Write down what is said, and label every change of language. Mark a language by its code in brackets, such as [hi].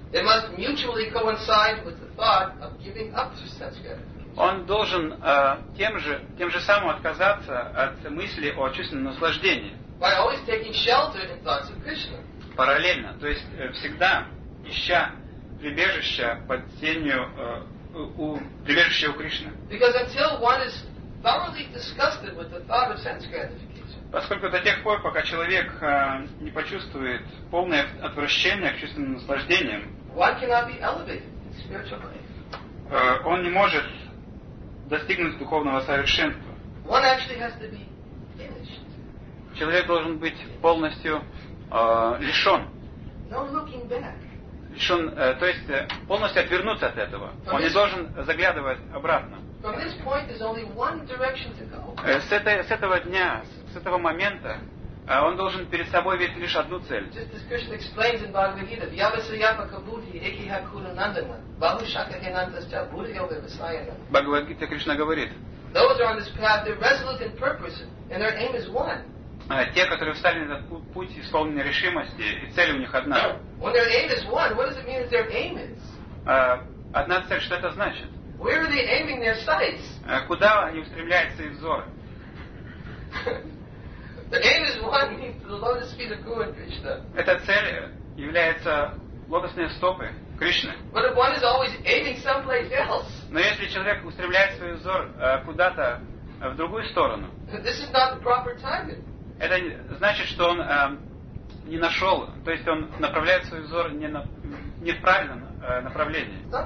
[en] it must mutually coincide with the thought of giving up to sense gratification. [ru] Он должен тем же самым отказаться от мысли о чувственном наслаждении. [en] By always taking shelter in thoughts of Krishna. [ru] Параллельно, то есть всегда ища прибежище под тенью прибежища у Кришны. [en] Because until one is thoroughly disgusted with the thought of sense gratification. [ru] Поскольку до тех пор, пока человек не почувствует полное отвращение к чувственным наслаждениям, [en] one cannot be elevated in spiritual life. [ru] Он не может достигнуть духовного совершенства. [en] One actually has to be finished. [ru] Человек должен быть полностью лишен. [en] No looking back. [ru] Лишен, то есть полностью отвернуться от этого. [en] From [ru] Он не должен заглядывать обратно. [en] From this point, there's only one direction to go. [ru] С этого момента он должен перед собой видеть лишь одну цель. [en] Just as Krishna explains in Bhagavad Gita, [sa] Vyavasayapakabuddhi ekihakunanandana Bahushakahinantascha Buddhyoga Vasayana. [ru] Bhagavad Gita Krishna говорит, [en] those are on this path, they're resolute in purpose, and their aim is one. [ru] Те, которые встали на этот путь, исполнены решимости, и цель у них одна. [en] When their aim is one, what does it mean that their aim is? [ru] Одна цель, что это значит? [en] Where are they aiming their sights? [ru] Куда они устремляют свои взоры? [en] The aim is one means the lotus feet of Guru and Krishna. [ru] Эта цель является лотосные стопы Кришны. [en] But if one is always aiming someplace else. [ru] Но если человек устремляет свой взор куда-то в другую сторону. [en] This is not the proper target. [ru] Это значит, что он не нашел, то есть он направляет свой взор не в правильном направлении.